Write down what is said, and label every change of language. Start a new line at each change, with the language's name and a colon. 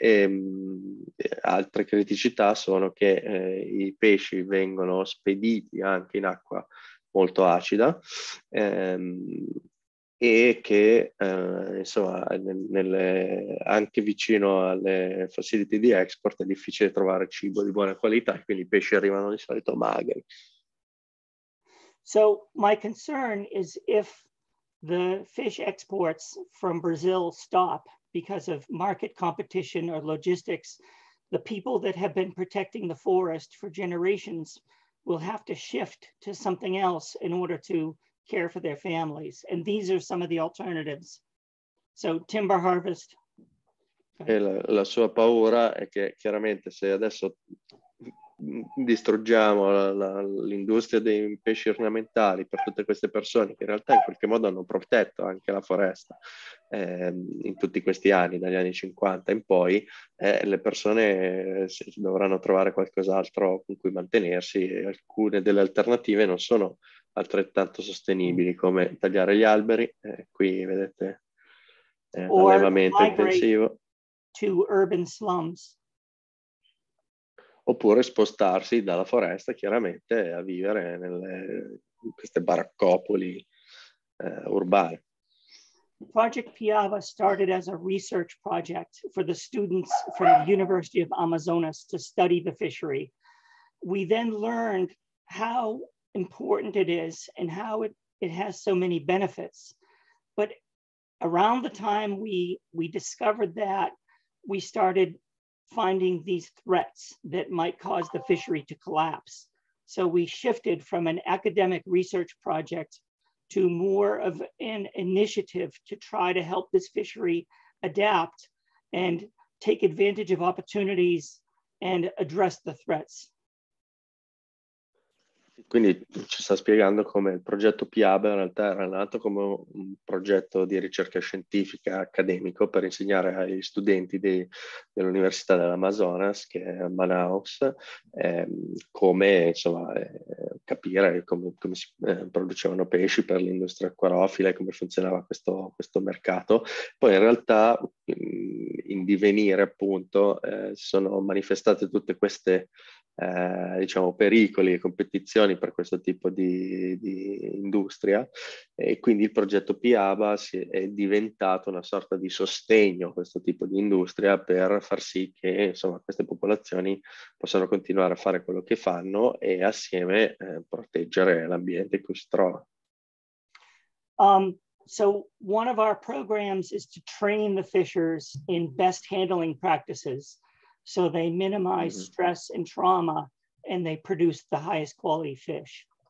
Italian: E altre criticità sono che i pesci vengono spediti anche in acqua molto acida e che insomma anche vicino alle facility di export è difficile trovare cibo di buona qualità, quindi i pesci arrivano di solito magri.
English: So my concern is if the fish exports from Brazil stop because of market competition or logistics, the people that have been protecting the forest for generations will have to shift to something else in order to care for their families. And these are some of the alternatives. So timber harvest.
Italian: La sua paura è che chiaramente se adesso distruggiamo l'industria dei pesci ornamentali per tutte queste persone che in realtà in qualche modo hanno protetto anche la foresta in tutti questi anni, dagli anni 50 in poi, le persone dovranno trovare qualcos'altro con cui mantenersi e alcune delle alternative non sono altrettanto sostenibili come tagliare gli alberi, qui vedete l'allevamento intensivo.
English: To urban slums.
Italian: Oppure spostarsi dalla foresta chiaramente a vivere in queste baraccopoli urbane.
English: Project Piaba started as a research project for the students from the University of Amazonas to study the fishery. We then learned how important it is and how it has so many benefits. But around the time we discovered that, we started finding these threats that might cause the fishery to collapse. So we shifted from an academic research project to more of an initiative to try to help this fishery adapt and take advantage of opportunities and address the threats.
Italian: Quindi ci sta spiegando come il progetto Piaba in realtà era nato come un progetto di ricerca scientifica accademico per insegnare agli studenti dell'Università dell'Amazonas, che è a Manaus, come insomma, capire come si producevano pesci per l'industria acquariofila e come funzionava questo mercato. Poi in realtà in divenire appunto sono manifestate tutte queste diciamo pericoli e competizioni per questo tipo di industria e quindi il progetto Piaba è diventato una sorta di sostegno a questo tipo di industria per far sì che insomma queste popolazioni possano continuare a fare quello che fanno e assieme proteggere l'ambiente in cui si trova.
English: So one of our programs is to train the fishers in best handling practices so they minimize stress and trauma and they produce the highest quality fish.